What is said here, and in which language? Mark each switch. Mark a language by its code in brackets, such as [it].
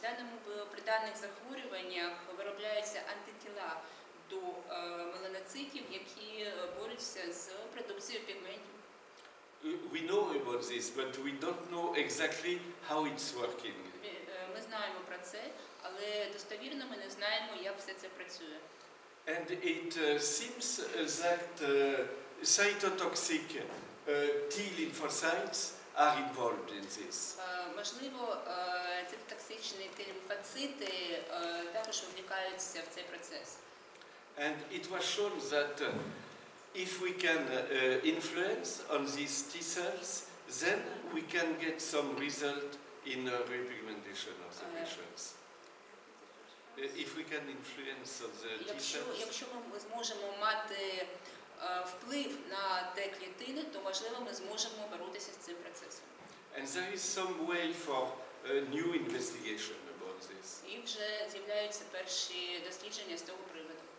[uk] В даному при даних захворюваннях виробляються антитіла до меланоцитів, які борються з продукцією пігментів. [en] We know about this, but we don't know exactly how it's working. [uk] Ми знаємо про це, але достовірно ми не знаємо, як все це працює. [en] And it seems that cytotoxic T lymphocytes are involved in this. [uk] Можливо, ці токсичні T лімфоцити також вникаються в цей процес. [en] And it was shown that if we can influence on these T cells, then we can get some result in repigmentation of the patients. If we can influence on the T cells. [uk] Якщо ми зможемо мати вплив на Т-клітини, то можливо ми зможемо боротися з цим процесом. [en] And there is some way for new investigation about this. [uk] І вже з'являються перші дослідження з того приводу.